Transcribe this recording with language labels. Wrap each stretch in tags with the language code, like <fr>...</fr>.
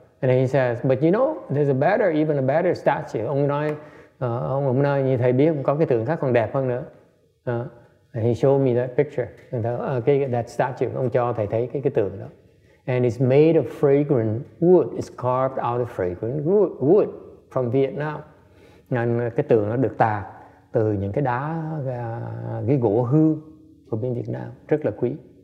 <en>And he says, but you know, there's a better, even a better statue.</en> <vi>Ông nói như thầy biết có cái tượng khác còn đẹp hơn nữa.</vi> <en>And he showed me that picture, that statue.</en> <vi>Ông cho thầy thấy cái tượng đó.</vi> <en>And it's made of fragrant wood. It's carved out of fragrant wood from Vietnam.</en> <vi>Nên cái tượng nó được tạc từ những cái đá, cái gỗ hư của bên Việt Nam, rất là quý.</vi>